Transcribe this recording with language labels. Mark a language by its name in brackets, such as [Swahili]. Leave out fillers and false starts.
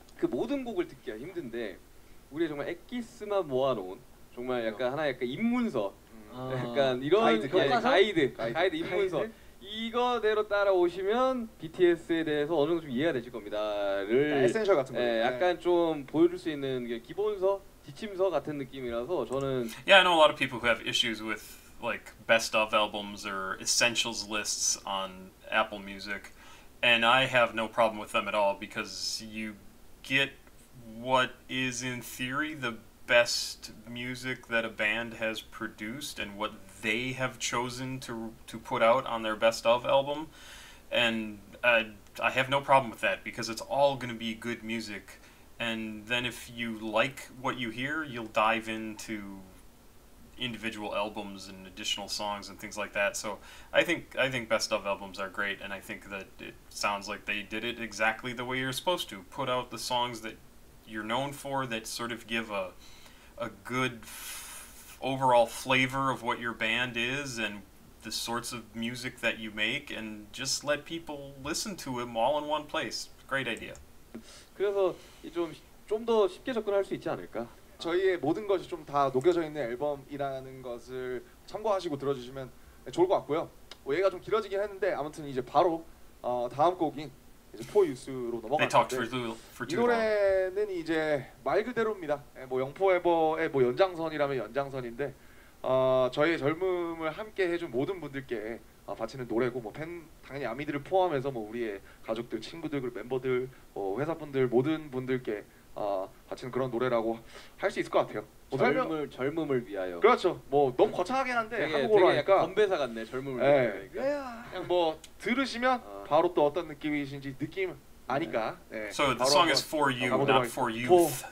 [Korean] 그 모든 곡을 듣기가 힘든데 우리 정말 액기스만 모아놓은 정말 약간 하나 약간 입문서 약간 이런 가이드 가이드, 가이드, 가이드, 가이드 입문서 이거대로 따라오시면 BTS에 대해서 어느 정도 좀 이해가 되실 겁니다를 에센셜 같은 거 예, 약간 좀 보여줄 수 있는 기본서 지침서 같은 느낌이라서 저는 [English] Yeah, I know a lot of people who have issues with like best of albums or essentials lists on Apple Music, and I have no problem with them at all because you get what is in theory the best music that a band has produced and what they have chosen to put out on their best of album. And I have no problem with that because it's all going to be good music. And then if you like what you hear, you'll dive into individual albums and additional songs and things like that. So I think best of albums are great. And I think that it sounds like they did it exactly the way you're supposed to put out the songs that you're known for that sort of give a good overall flavor of what your band is and the sorts of music that you make and just let people listen to them all in one place. Great idea. [Korean] 그래서 좀 더 쉽게 접근할 수 있지 않을까? 저희의 모든 것이 좀 다 녹여져 있는 앨범이라는 것을 참고하시고 들어주시면 좋을 것 같고요. 얘가 좀 길어지긴 했는데 아무튼 이제 바로 다음 곡인 이제 포유스로 넘어갔는데 이 노래는 이제 말 그대로입니다. 뭐 영포에버의 뭐 연장선이라면 연장선인데 저희의 젊음을 함께 해준 모든 분들께 바치는 노래고 뭐 팬 당연히 아미들을 포함해서 뭐 우리의 가족들, 친구들, 그리고 멤버들, 뭐 회사분들 모든 분들께 바치는 그런 노래라고 할 수 있을 것 같아요. 뭐 젊음을 위하여. 그렇죠. 뭐 너무 거창하긴 한데 되게, 한국어로 되게 하니까 건배사 같네. 젊음을 위하여. 그냥 뭐 들으시면 바로 또 어떤 느낌이신지 느낌 아니까. 네. 네. [English] So the song is for you, not for youth.